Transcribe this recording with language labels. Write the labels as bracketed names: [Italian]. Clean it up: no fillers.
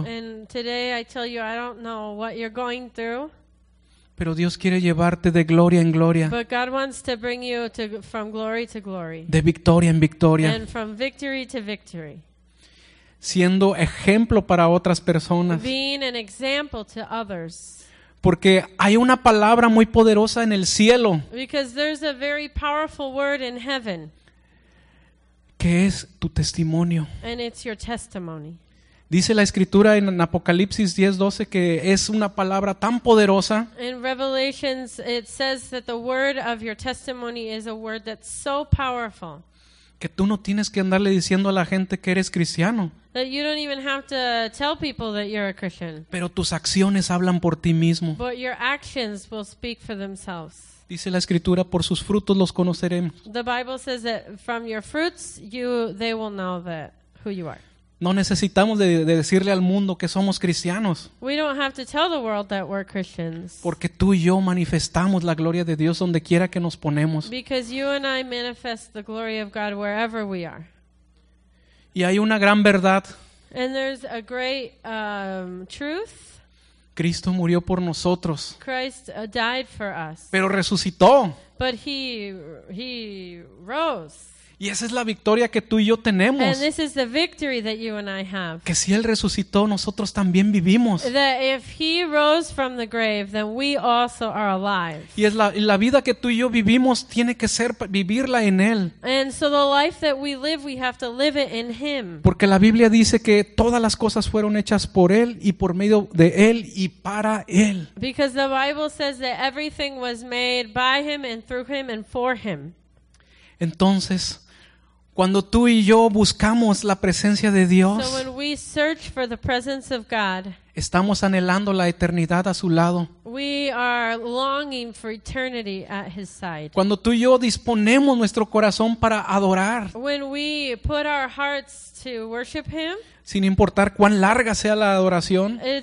[English] And today I tell you, I don't know what you're going through. [Spanish] Pero Dios quiere llevarte de gloria en gloria. [English] But God wants to bring you from glory to glory. [Spanish] De victoria en victoria. [English] And from victory to victory. [Spanish] Siendo ejemplo para otras personas. [English] Being an example to others. [Spanish] Porque hay una palabra muy poderosa en el cielo. [English] Because there's a very powerful word in heaven. [Spanish] Que es tu testimonio. [English] And it's your testimony. [Spanish] Dice la escritura en Apocalipsis 10:12 que es una palabra tan poderosa. [English] In Revelations it says that the word of your testimony is a word that's so powerful. [Spanish] Que tú no tienes que andarle diciendo a la gente que eres cristiano. [English] That you don't even have to tell people that you're a Christian. [Spanish] Pero tus acciones hablan por ti mismo. [English] But your actions will speak for themselves. [Spanish] Dice la escritura, por sus frutos los conoceremos. [English] The Bible says that from your fruits they will know that who you are. [Spanish] No necesitamos de decirle al mundo que somos cristianos. [English] We don't have to tell the world that we're Christians. [Spanish] Porque tú y yo manifestamos la gloria de Dios donde quiera que nos ponemos. [English] Because you and I manifest the glory of God wherever we are. [Spanish] Y hay una gran verdad. [English] And there's a great truth. [Spanish] Cristo murió por nosotros. [English] Christ died for us. [Spanish] Pero resucitó. [English] But he rose. [Spanish] Y esa es la victoria que tú y yo tenemos. [English] And this is the victory that you and I have. [Spanish] Que si Él resucitó, nosotros también vivimos. [English] That if He rose from the grave, then we also are alive. [Spanish] Y es la vida que tú y yo vivimos tiene que ser vivirla en Él. [English] And so the life that we live, we have to live it in Him. [Spanish] Porque la Biblia dice que todas las cosas fueron hechas por Él y por medio de Él y para Él. [English] Because the Bible says that everything was made by Him and through Him and for Him. [Spanish] Entonces, cuando tú y yo buscamos la presencia de Dios, [English] so when we search for the presence of God, [Spanish] estamos anhelando la eternidad a su lado. [English] We are longing for eternity at His side. [Spanish] Cuando tú y yo disponemos nuestro corazón para adorar, [English] when we put our hearts to worship Him, [Spanish] sin importar cuán larga sea la adoración,